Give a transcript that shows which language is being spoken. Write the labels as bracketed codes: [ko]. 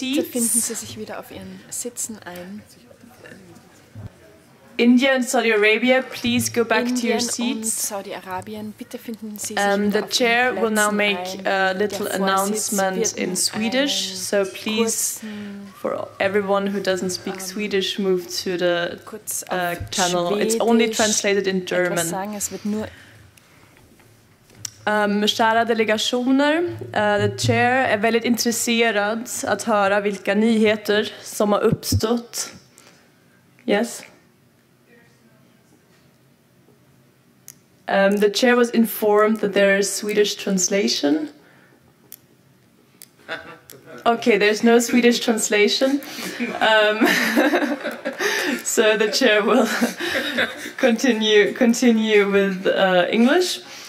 [de] Bitte finden Sie sich wieder auf Ihren Sitzen ein. [en] India and Saudi Arabia, please go back to your seats. [de] Saudi Arabien, bitte finden Sie sich [en] The chair will now make a little announcement in Swedish. So please, for everyone who doesn't speak Swedish, move to the channel. Schwedisch. It's only translated in German. [sv] Kära delegationer, chair är väldigt intresserad att höra vilka nyheter som har uppstått. [en] Yes? The chair was informed that there is Swedish translation. Okay, there's no Swedish translation. so the chair will continue with English.